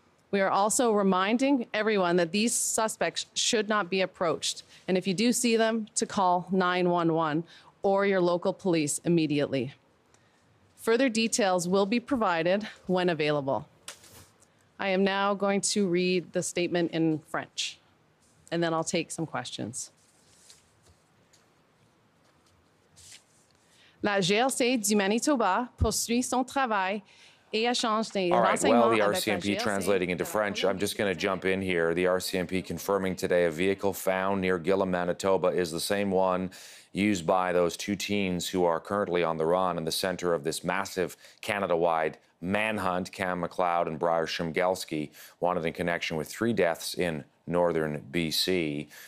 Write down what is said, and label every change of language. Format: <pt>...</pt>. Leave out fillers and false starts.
<en>We are also reminding everyone that these suspects should not be approached, and if you do see them, to call 911 or your local police immediately. Further details will be provided when available. I am now going to read the statement in French, and then I'll take some questions.</en> <fr>La GRC du Manitoba poursuit son travail et échange des renseignements.</fr> <en>All right, well, the RCMP translating into French, I'm just going to jump in here. The RCMP confirming today a vehicle found near Gillam, Manitoba is the same one used by those two teens who are currently on the run in the center of this massive Canada-wide manhunt. Cam McLeod and Bryer Schmegelsky wanted in connection with three deaths in northern BC.</en>